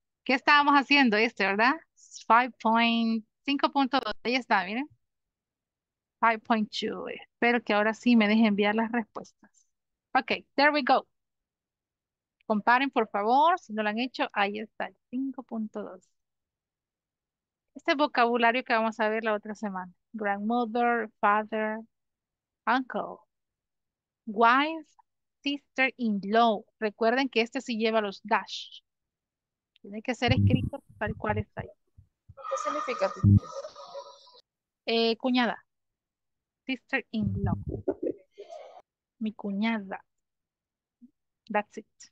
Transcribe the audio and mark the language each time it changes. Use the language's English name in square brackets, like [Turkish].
[Spanish] ¿Qué estábamos haciendo este, verdad? 5.2, ahí está, miren. 5.2. Espero que ahora sí me deje enviar las respuestas. [English] Ok, there we go. [Spanish] Comparen, por favor, si no lo han hecho, ahí está, 5.2. Este es vocabulario que vamos a ver la otra semana. [English] Grandmother, father. Uncle, wife, sister-in-law. [Spanish] Recuerden que este sí lleva los dash. Tiene que ser escrito tal cual está ahí. ¿Qué significa? Cuñada. Sister-in-law. Mi cuñada. [English] That's it.